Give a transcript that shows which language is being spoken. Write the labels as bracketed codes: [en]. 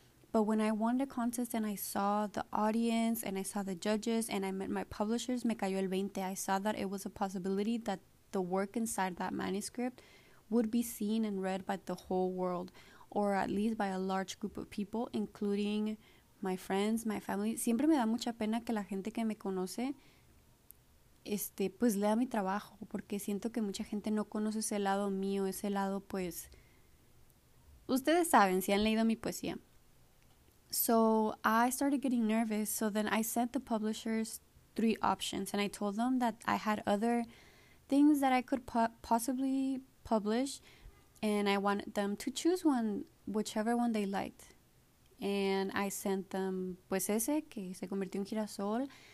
[en] But when I won the contest and I saw the audience and I saw the judges and I met my publishers, [es] me cayó el 20. [en] I saw that it was a possibility that the work inside that manuscript would be seen and read by the whole world, or at least by a large group of people, including my friends, my family. [es] Siempre me da mucha pena que la gente que me conoce, pues lea mi trabajo, porque siento que mucha gente no conoce ese lado mío, ese lado, pues, ustedes saben, si han leído mi poesía. [en] So I started getting nervous. So then I sent the publishers three options, and I told them that I had other things that I could possibly publish, and I wanted them to choose one, whichever one they liked. And I sent them, [es] pues ese, que se convirtió en girasol.